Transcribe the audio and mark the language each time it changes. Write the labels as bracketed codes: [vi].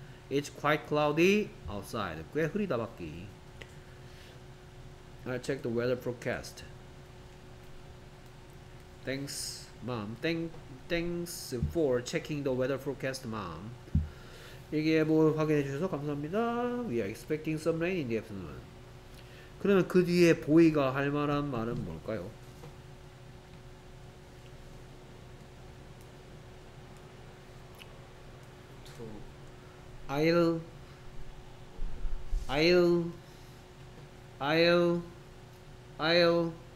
[en] It's quite cloudy outside. [ko] 꽤 흐리다 밖이. [en] I'll check the weather forecast. Thanks, mom. Thanks for checking the weather forecast, mom. [ko] 얘기해 볼 확인해 주셔서 감사합니다. [en] We are expecting some rain in the afternoon. [ko] 그러면 그 뒤에 보이가 할 만한 말은 뭘까요? [en] I'll